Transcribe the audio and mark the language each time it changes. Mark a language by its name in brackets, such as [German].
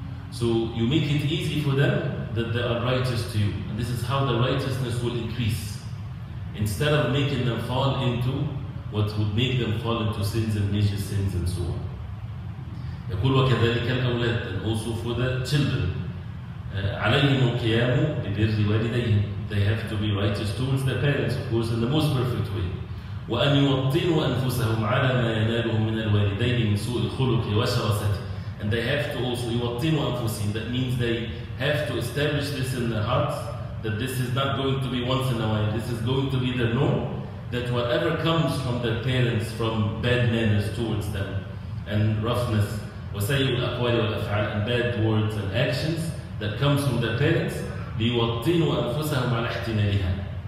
[English] So you make it easy for them that they are righteous to you. And this is how the righteousness will increase. Instead of making them fall into what would make them fall into sins and major sins and so on. [Arabic] يقول وكذلك الأولاد, [English] and also for the children. [Arabic] عليهم القيام ببر والديهم. [English] They have to be righteous towards their parents, of course, in the most perfect way. [Arabic] وأن يوطنوا أنفسهم على ما ينالهم من الوالدين من سوء الخلق وشراسته. [English] And they have to also [Arabic] يوطنوا أنفسهم. [English] That means they have to establish this in their hearts, that this is not going to be once in a while, this is going to be the norm, that whatever comes from their parents, from bad manners towards them, and roughness, [Arabic] وَسَيُّ الْأَقْوَالِ وَالْأَفْعَالِ, [English] and bad words and actions that comes from their parents, [Arabic] لِيُوَطِّنُوا أَنفُسَهُمْ عَلَى احْتِمَالِهَا.